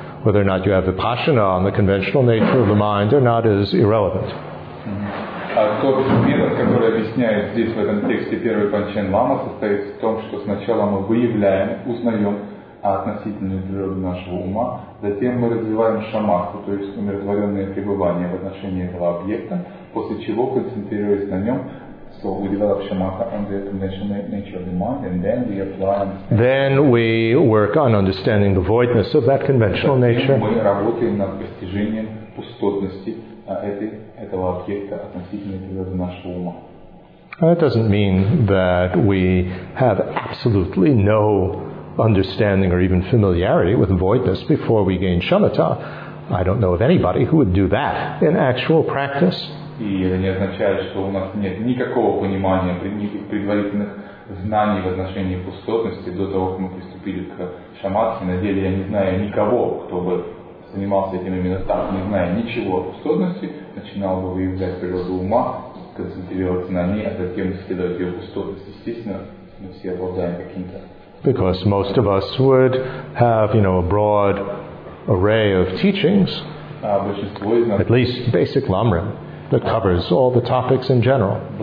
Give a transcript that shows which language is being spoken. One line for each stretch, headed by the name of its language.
English: Whether or not you have vipassana on the conventional nature of the mind or not is irrelevant.
Russian: Тот метод, который объясняет здесь в этом тексте первый Панчен Лама, состоит в том, что сначала мы выявляем, узнаем относительную природу нашего ума, затем мы развиваем шамаху, то есть умиротворенное пребывание в отношении этого объекта, после чего, концентрируясь на нем,
English: so we develop shamatha on the conventional nature of the mind, and then we apply. Then we work on understanding the voidness of that conventional nature.
Russian: Мы работаем над постижением пустотности этого объекта относительно природы нашего ума.
English: That doesn't mean that we have absolutely no understanding or even familiarity with voidness before we gain shamatha. I don't know of anybody who would do that in actual practice.
Russian: И это не означает, что у нас нет никакого понимания, предварительных знаний в отношении пустотности до того, как мы приступили к шамадхи. На деле я не знаю никого, кто бы занимался этим именно так, не зная ничего о пустотности, начинал бы выявлять природу ума, концентрироваться на ней, а затем исследовать ее пустотность. Естественно, мы все обладаем каким-то.
English: Because most of us would have, you know, a broad array of teachings, at least basic lamrim, that covers all the topics in general.